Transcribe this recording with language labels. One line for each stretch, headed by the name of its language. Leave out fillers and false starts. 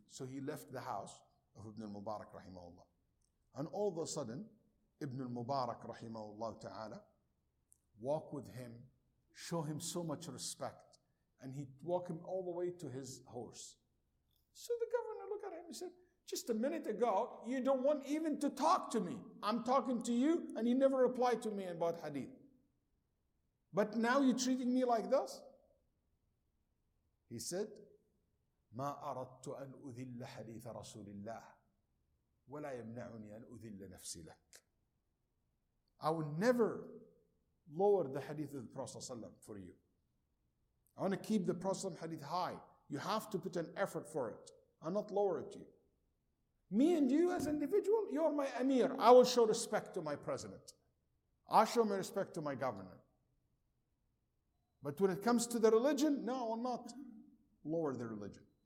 English: So he left the house of Ibn al-Mubarak, rahimahullah. And all of a sudden, Ibn al-Mubarak, rahimahullah ta'ala, walk with him, show him so much respect, and he walk him all the way to his horse. So the governor looked at him and said, just a minute ago, you don't want even to talk to me. I'm talking to you, and you never replied to me about hadith. But now you're treating me like this?
Arabic: He said, مَا أَرَدْتُ أَنْ أُذِلَّ حَدِيثَ رَسُولِ اللَّهِ وَلَا يَمْنَعُنِي أَنْ أُذِلَّ نَفْسِي لَكَ.
English: I will never lower the hadith of the Prophet ﷺ for you. I want to keep the Prophet ﷺ hadith high. You have to put an effort for it. I'll not lower it to you. Me and you as individual, you're my emir. I will show respect to my president. I'll show my respect to my governor. But when it comes to the religion, no, I will not lower the religion.